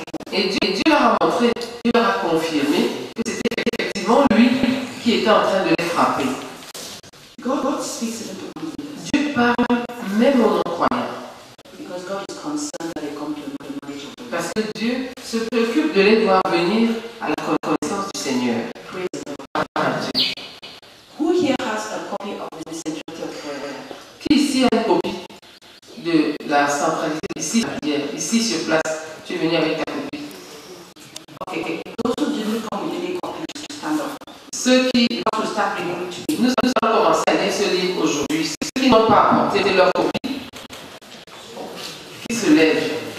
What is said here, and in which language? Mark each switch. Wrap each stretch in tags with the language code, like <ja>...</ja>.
<fr>Et Dieu leur a montré, Dieu leur a confirmé que c'était effectivement lui qui était en train de les frapper.</fr> <en>God speaks to them.</en> <fr>Dieu parle même aux non-croyants.</fr> <en>Because God is concerned that they come to the knowledge of the Lord.</en> <fr>Parce que Dieu se préoccupe de les voir venir à la connaissance du Seigneur.</fr> <en>Who here has a copy of the centrality of prayer?</en> <fr>Qui ici a une copie de la centralité ici, la prière, ici sur place? Tu es venu avec ta copie. Nous avons commencé à lire ce livre aujourd'hui. Ceux qui n'ont pas apporté leur copie, qui se lèvent.</fr>